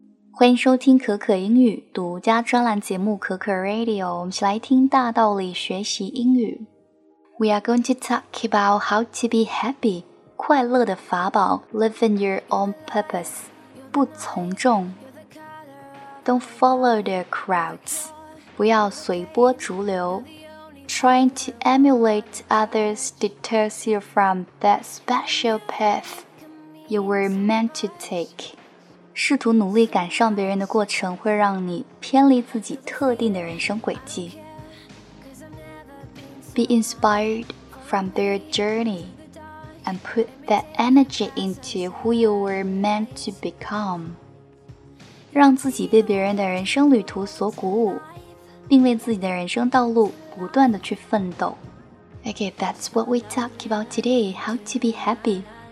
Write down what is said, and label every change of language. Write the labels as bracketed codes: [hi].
[zh] 欢迎收听可可英语独家专栏节目可可 Radio， 我们一起来听大道理学习英语。 [en] We are going to talk about how to be happy， [zh] 快乐的法宝 [en] ，living your own purpose， [zh] 不从众 [en] ，don't follow the crowds， [zh] 不要随波逐流 [en] ，trying to emulate others deters you from that special path you were meant to take。 [zh] 试图努力赶上别人的过程会让你偏离自己特定的人生轨迹。 [en] Be inspired from their journey and put that energy into who you were meant to become. [zh] 让自己被别人的人生旅途所鼓舞，并为自己的人生道路不断地去奋斗。 [en] Okay, that's what we talk about today, how to be happy.